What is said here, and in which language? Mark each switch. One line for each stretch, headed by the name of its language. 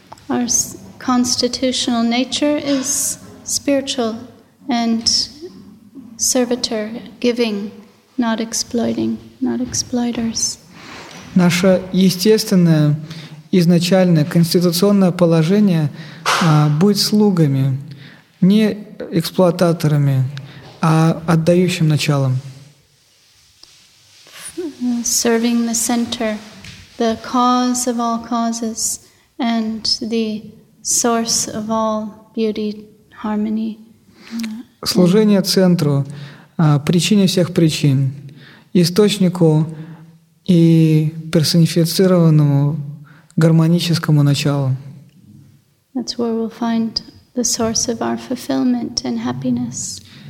English: Our constitutional nature is spiritual and servitor, giving, not exploiting, not exploiters.
Russian: Наше естественное, изначальное, конституционное положение быть слугами, не эксплуататорами, а отдающим началом.
English: Serving the center, the cause of all causes, and the source of all beauty, harmony.
Russian: Служение центру, причине всех причин, источнику и персонифицированному гармоническому началу.
English: That's where we'll find the source of our fulfillment and happiness.